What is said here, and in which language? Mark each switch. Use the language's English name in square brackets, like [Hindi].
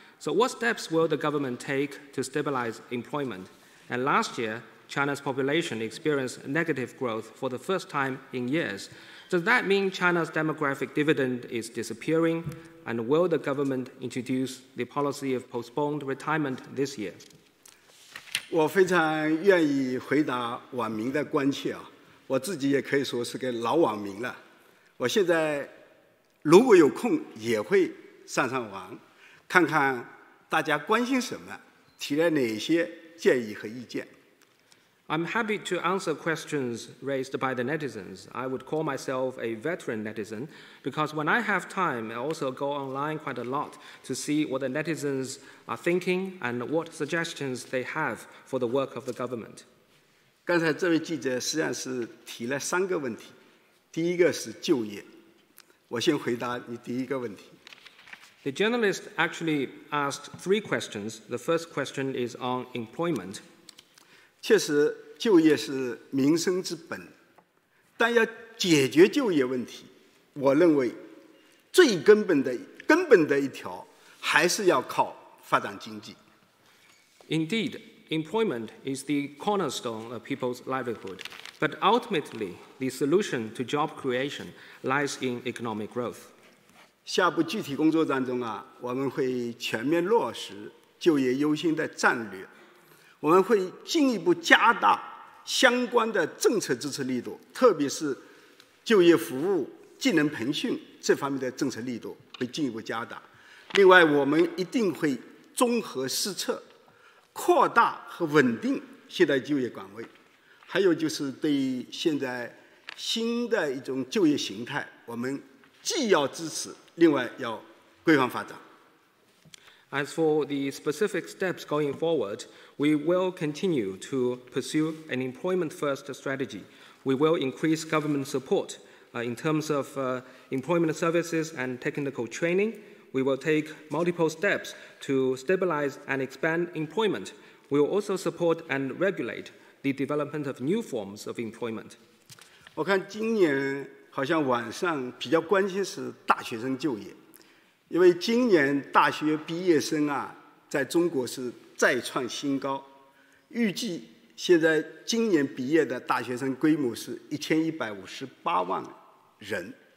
[English] So what steps will the government take to stabilize employment? And last year, China's population experienced negative growth for the first time in years. Does that mean China's demographic dividend is disappearing? And will the government introduce the policy of postponed retirement this year? [Chinese] 我非常愿意回答网民的关切啊，我自己也可以说是个老网民了。我现在如果有空也会上上网，看看大家关心什么，提了哪些建议和意见。 [English] I'm happy to answer questions raised by the netizens. I would call myself a veteran netizen because when I have time, I also go online quite a lot to see what the netizens are thinking and what suggestions they have for the work of the government. [Chinese] 刚才这位记者实际上是提了三个问题。第一个是就业。我先回答你第一个问题。 [English] The journalist actually asked three questions. The first question is on employment. [Chinese] 确实就业是民生之本，但要解决就业问题，我认为最根本的一条还是要靠发展经济。 [English] Indeed, employment is the cornerstone of people's livelihood, but ultimately the solution to job creation lies in economic growth. [Chinese] 下部具体工作当中啊，我们会全面落实就业优先的战略，我们会进一步加大相关的政策支持力度，特别是就业服务、技能培训这方面的政策力度会进一步加大。另外，我们一定会综合施策，扩大和稳定现代就业岗位。还有就是对现在新的一种就业形态，我们既要支持，另外要规范发展。 [English] As for the specific steps going forward, we will continue to pursue an employment-first strategy. We will increase government support in terms of employment services and technical training. We will take multiple steps to stabilize and expand employment. We will also support and regulate the development of new forms of employment. [Chinese] 我看今年好像网上比较关心是大学生就业。因为今年大学毕业生啊，在中国是再创新高，预计现在今年毕业的大学生规模是1158万人。